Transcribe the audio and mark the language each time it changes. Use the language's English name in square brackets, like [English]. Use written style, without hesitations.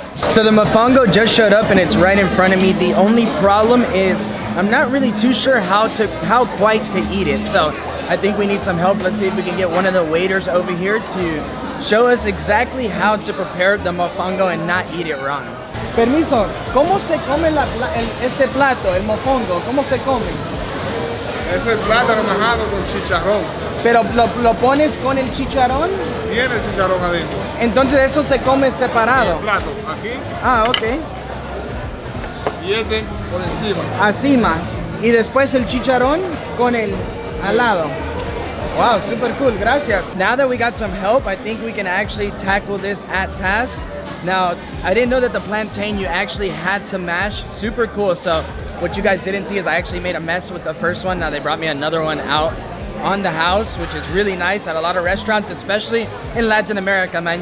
[English] So the mofongo just showed up and it's right in front of me. The only problem is I'm not really too sure how quite to eat it. So I think we need some help. Let's see if we can get one of the waiters over here to show us exactly how to prepare the mofongo and not eat it wrong. [Spanish] Permiso, ¿cómo se come este plato, el mofongo? ¿Cómo se come? Es el plátano majado con chicharrón. ¿Pero lo pones con el chicharrón? Tiene el chicharrón adentro. Entonces eso se come separado. El plato, aquí. Ah, okay. Y este por encima. Acima. Y después el chicharrón con el al lado. [English] Wow, super cool, gracias. Now that we got some help, I think we can actually tackle this at task. Now, I didn't know that the plantain you actually had to mash. Super cool. So what you guys didn't see is I actually made a mess with the first one. Now they brought me another one out on the house, which is really nice at a lot of restaurants, especially in Latin America, man.